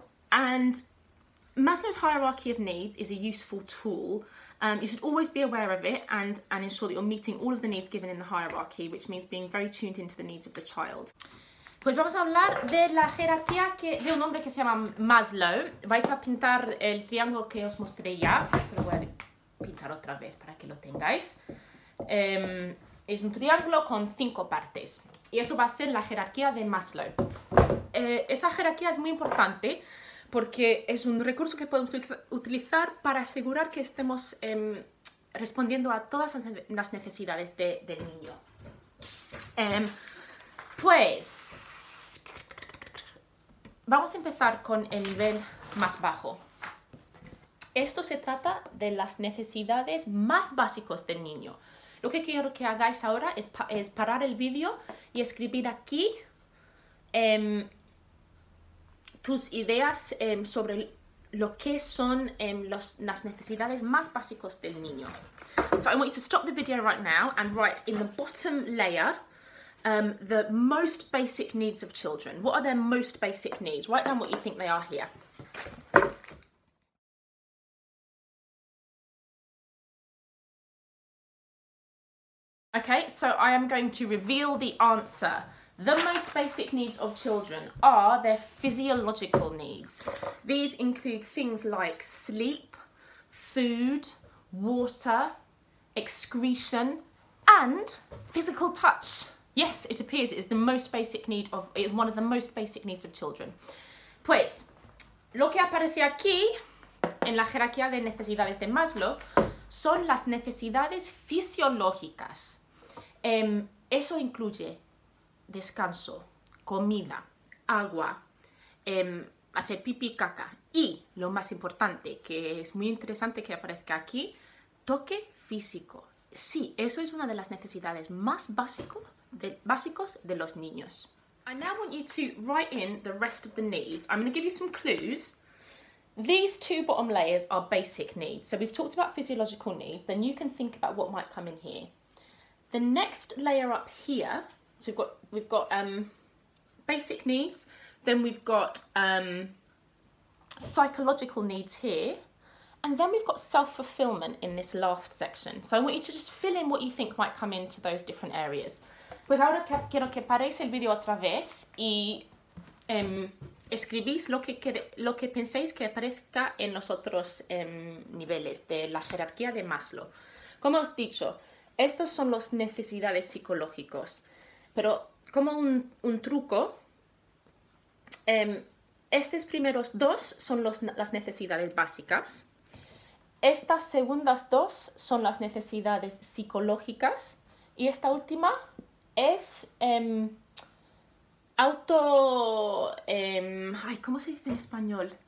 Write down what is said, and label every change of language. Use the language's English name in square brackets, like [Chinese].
[English] And Maslow's hierarchy of needs is a useful tool. You should always be aware of it and ensure that you're meeting all of the needs given in the hierarchy, which means being very tuned into the needs of the child. [Spanish] Pues vamos a hablar de la jerarquía de un hombre que se llama Maslow. Vais a pintar el triángulo que os mostré ya. Se lo voy a pintar otra vez para que lo tengáis. es un triángulo con cinco partes. Y eso va a ser la jerarquía de Maslow. Esa jerarquía es muy importante porque es un recurso que podemos utilizar para asegurar que estemos respondiendo a todas las necesidades del niño. Pues vamos a empezar con el nivel más bajo. Esto se trata de las necesidades más básicas del niño. Lo que quiero que hagáis ahora es parar el vídeo y escribir aquí tus ideas sobre lo que son las necesidades más básicas del niño. [English] So I want you to stop the video right now and write in the bottom layer the most basic needs of children. What are their most basic needs? Write down what you think they are here. Okay, so I am going to reveal the answer. The most basic needs of children are their physiological needs. These include things like sleep, food, water, excretion, and physical touch. Yes, it appears it is the most basic need of, it is one of the most basic needs of children. [Spanish] Pues, lo que aparece aquí en la jerarquía de necesidades de Maslow son las necesidades fisiológicas. Eso incluye descanso, comida, agua, hacer pipí y caca y, lo más importante, que es muy interesante que aparezca aquí, toque físico. Sí, eso es una de las necesidades más básicos de los niños. [English] I now want you to write in the rest of the needs. I'm going to give you some clues. These two bottom layers are basic needs. So we've talked about physiological needs, then you can think about what might come in here. The next layer up here, so we've got basic needs, then we've got psychological needs here, and then we've got self-fulfillment in this last section. So I want you to just fill in what you think might come into those different areas. [Spanish] Pues ahora quiero que paréis el vídeo otra vez y escribís lo que penséis que aparezca en los otros niveles de la jerarquía de Maslow. Como os he dicho, estos son las necesidades psicológicas, pero como un truco, estos primeros dos son las necesidades básicas, estas segundas dos son las necesidades psicológicas y esta última es ¿cómo se dice en español?